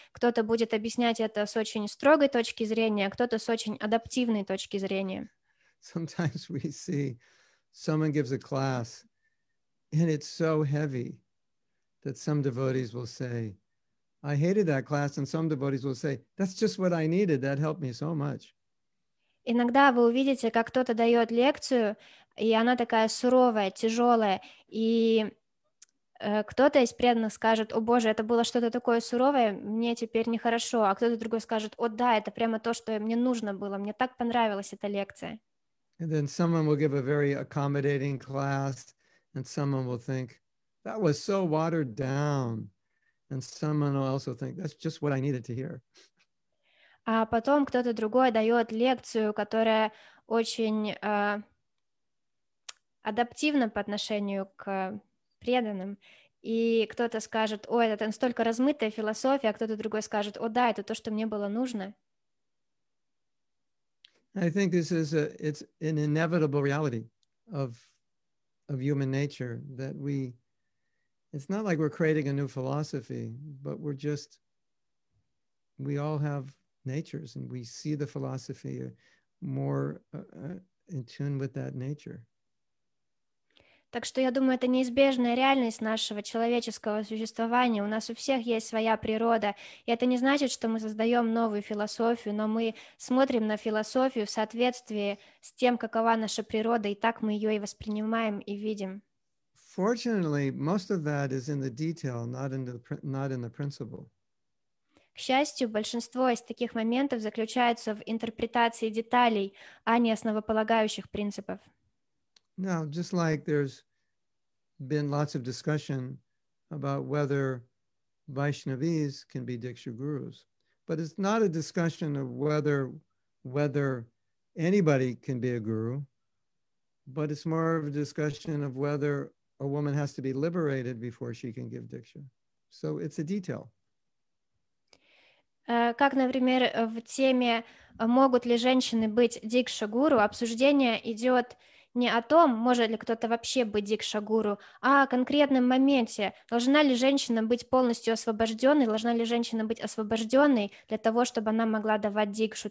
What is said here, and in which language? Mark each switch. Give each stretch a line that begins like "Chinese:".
Russian: Кто-то будет объяснять это с очень строгой точки зрения, а кто-то с очень адаптивной точки зрения.
English: Sometimes we see someone gives a class, and it's so heavy that some devotees will say, I hated that class, and some devotees will say, that's just what I needed, that helped me so much.
Russian: Иногда вы увидите, как кто-то дает лекцию, и она такая суровая, тяжелая, и кто-то из преданных скажет, о боже, это было что-то такое суровое, мне теперь нехорошо, а кто-то другой скажет, о да, это прямо то, что мне нужно было, мне так понравилась эта лекция.
English: And then someone will give a very accommodating class, and someone will think, that was so watered down. And someone will also think, that's just what I needed to hear.
Russian: А потом кто-то другой дает лекцию, которая очень адаптивна по отношению к преданным. И кто-то скажет, ой, это настолько размытая философия, а кто-то другой скажет, о да, это то, что мне было нужно.
English: I think this is it's an inevitable reality of human nature, that we, it's not like we're creating a new philosophy, but we're just, we all have natures and we see the philosophy more in tune with that nature.
Russian: Так что я думаю, это неизбежная реальность нашего человеческого существования. У нас у всех есть своя природа. И это не значит, что мы создаем новую философию, но мы смотрим на философию в соответствии с тем, какова наша природа, и так мы ее и воспринимаем, и видим.
English: Fortunately, most of that is in the detail, not in the principle.
Russian: К счастью, большинство из таких моментов заключается в интерпретации деталей, а не основополагающих принципов.
English: Now, just like there's been lots of discussion about whether Vaishnavis can be Diksha Gurus, but it's not a discussion of whether anybody can be a guru, but it's more of a discussion of whether a woman has to be liberated before she can give Diksha. So it's a detail.
Russian: Как, например, в теме «Могут ли женщины быть Дикша Гуру?» обсуждение идет не о том, может ли кто-то вообще быть дикша-гуру, а о конкретном моменте. Должна ли женщина быть полностью освобожденной, должна ли женщина быть освобожденной для того, чтобы она могла давать дикшу.